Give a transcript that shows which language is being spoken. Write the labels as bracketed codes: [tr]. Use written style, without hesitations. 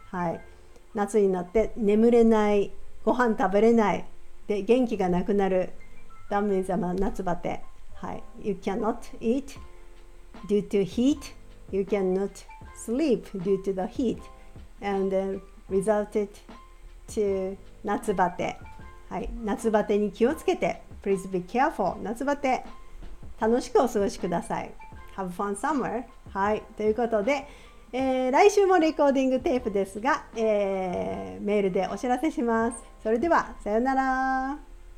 [ja] はい、夏になって眠れない、ご飯食べれないで元気がなくなる、ダメージは夏バテ。 [en] はい、 You cannot eat due to heat, you cannot sleep due to the heat and then resulted to 夏バテ。 [ja] はい、夏バテに気をつけて、 [en] Please be careful. [ja] 夏バテ。楽しくお過ごしください。 [en] Have fun summer. はい。 [ja] ということで、来週もレコーディングテープですが、メールでお知らせします。それでは、さよなら。